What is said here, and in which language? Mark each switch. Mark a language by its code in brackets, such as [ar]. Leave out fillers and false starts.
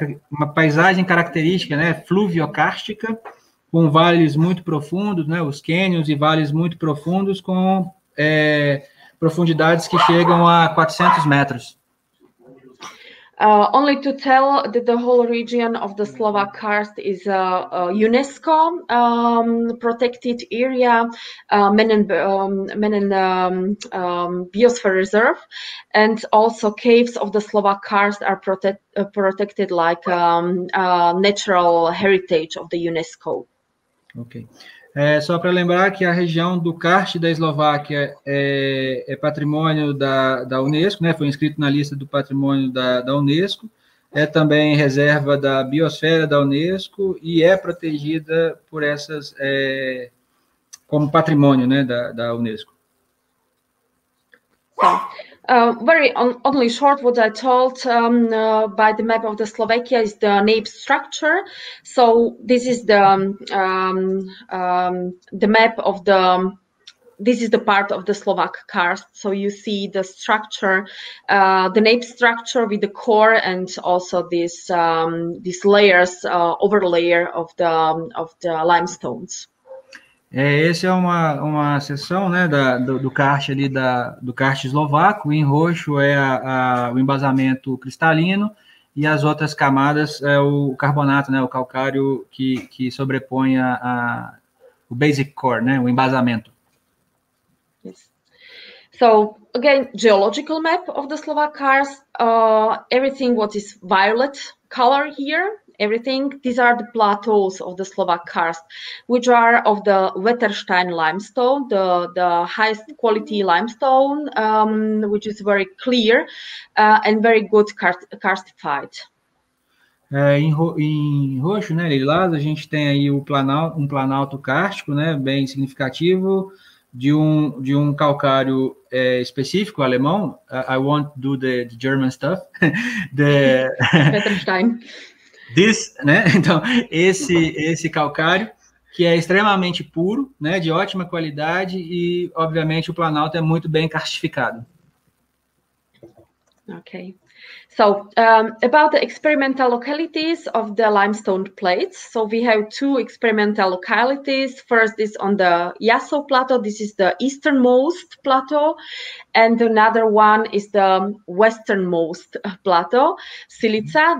[pt] uma paisagem característica, né, fluviocárstica, com vales muito profundos, né, os cânions e vales muito profundos, com profundidades que chegam a 400 metros. [en] Only to tell that the whole region of the Slovak Karst is a UNESCO protected area, biosphere reserve, and also caves of the Slovak Karst are protected like natural heritage of the UNESCO. Okay. [pt] Só para lembrar que a região do Karst da Eslováquia é patrimônio da Unesco, né? Foi inscrito na lista do patrimônio da Unesco, é também reserva da biosfera da Unesco e é protegida por essas como patrimônio, né? da Unesco. Sim. [en] Only short what I told by the map of the Slovakia is the nave structure. So this is the map of the, this is the part of the Slovak Karst. So you see the structure, the nave structure with the core and also these layers, over layer of the limestones. [pt] Essa é uma seção, né, do karst ali do karst eslovaco. Em roxo é o embasamento cristalino e as outras camadas é o carbonato, né, o calcário que sobrepõe o [en] basic core, [pt] né, o embasamento. [en] Yes. So again, geological map of the Slovak Karst. Everything what is violet color here. Everything. These are the plateaus of the Slovak Karst, which are of the Wetterstein limestone, the highest quality limestone, which is very clear and very good karstified. [pt] Em roxo, né, lilás, a gente tem aí um planalto kárstico, né, bem significativo, de um calcário específico alemão. [en] I won't do the German stuff. Wetterstein. This, né? [pt] Então, esse calcário, que é extremamente puro, né? De ótima qualidade, e obviamente o Planalto é muito bem karstificado. Ok. [en] So, about the experimental localities of the limestone plates. So, we have two experimental localities. First is on the Yaso Plateau. This is the easternmost plateau. And another one is the westernmost plateau, Silica.